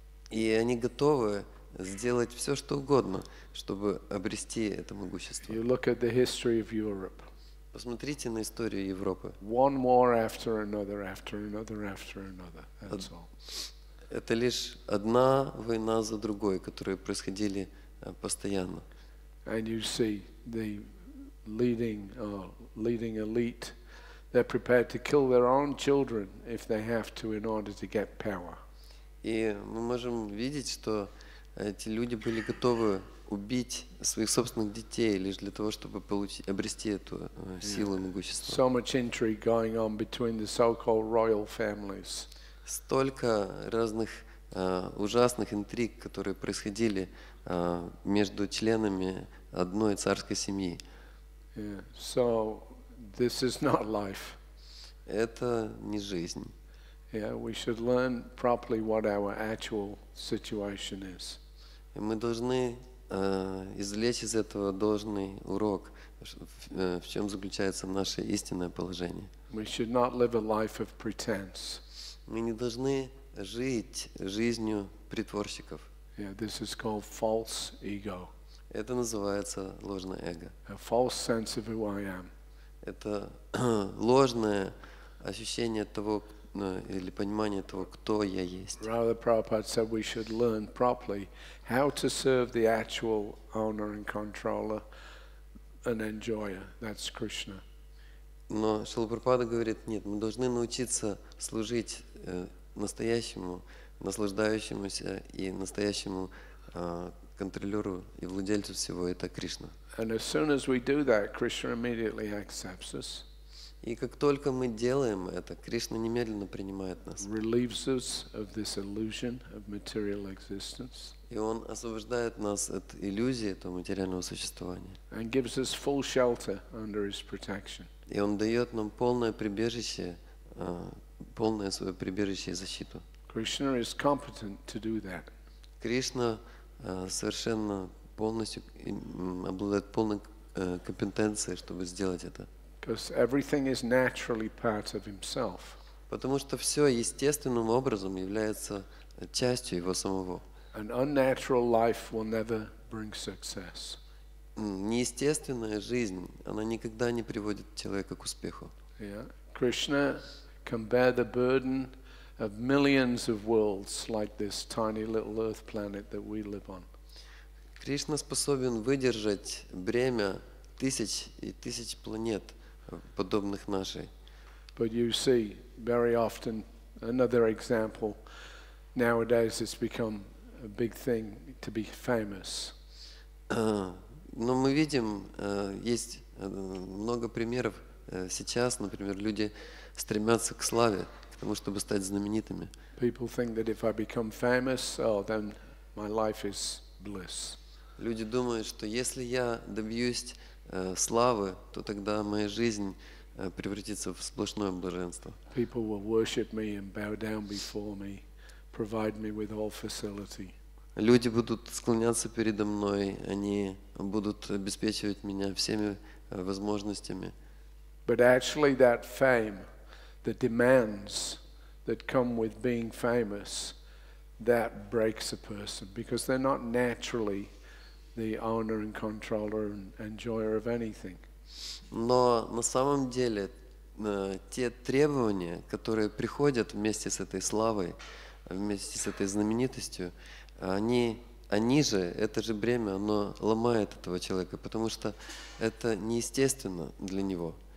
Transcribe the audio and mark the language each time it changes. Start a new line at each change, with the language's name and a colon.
Russian: И они готовы сделать все, что угодно, чтобы обрести это могущество.
English: You look at the history of Europe.
Russian: Посмотрите на историю Европы.
English: One war after another, after another, after another. That's all.
Russian: Это лишь одна война за другой, которые происходили постоянно.
English: And you see the leading elite, they're prepared to kill their own children if they have to in order to get power.
Russian: И мы можем видеть, что эти люди были готовы убить своих собственных детей лишь для того, чтобы получить, обрести эту силу и могущество.
English: So much intrigue going on between the so-called royal families.
Russian: Столько разных ужасных интриг, которые происходили между членами одной царской семьи.
English: Yeah. So this is not life.
Russian: Это не жизнь.
English: Yeah, we should learn properly what our actual situation is.
Russian: И мы должны извлечь из этого должный урок, в чем заключается наше истинное положение.
English: We should not live a life of pretense.
Russian: Мы не должны жить жизнью притворщиков.
English: Yeah, this is called false ego.
Russian: Это называется ложное эго.
English: A false sense of who I am.
Russian: Это ложное ощущение того, или понимание того, кто я есть.
English: Rather, Prabhupada said we should learn properly how to serve the actual owner and controller and enjoyer. That's Krishna.
Russian: Но Шрила Прабхупада говорит, нет, мы должны научиться служить настоящему, наслаждающемуся и настоящему контролеру и владельцу всего, это Кришна.
English: And as soon as we do that, Krishna immediately accepts us.
Russian: И как только мы делаем это, Кришна немедленно принимает нас.
English: Relieves us of this illusion of material existence.
Russian: И Он освобождает нас от иллюзии этого материального существования.
English: And gives us full shelter under His protection.
Russian: И Он дает нам полное прибежище, полное свое прибежище и защиту.
English: Krishna is competent to do that.
Russian: Кришна совершенно полностью обладает полной компетенцией, чтобы сделать это.
English: Because everything is naturally part of Himself.
Russian: Потому что все естественным образом является частью Его самого.
English: An unnatural life will never bring success.
Russian: Неестественная жизнь, она никогда не приводит человека к успеху.
English: Yeah. Krishna can bear the burden of millions of worlds like this tiny little earth planet that we live on.
Russian: Кришна способен выдержать бремя тысяч и тысяч планет подобных нашей.
English: But you see, very often another example nowadays it's become a big thing to be famous.
Russian: Но мы видим, есть много примеров сейчас, например, люди стремятся к славе, к тому, чтобы стать знаменитыми.
English: People think that if I become famous, oh, then my life is bliss.
Russian: Люди думают, что если я добьюсь славы, то тогда моя жизнь превратится в сплошное блаженство.
English: People will worship me and bow down before me, provide me with all facility.
Russian: Люди будут склоняться передо мной, они будут обеспечивать меня всеми возможностями.
English: But actually that fame, the demands that come with being famous, that breaks a person because they're not naturally the owner and controller and enjoyer of anything.
Russian: Но на самом деле те требования, которые приходят вместе с этой славой, вместе с этой знаменитостью, они же, это же бремя, оно ломает этого человека, потому что это неестественно для него.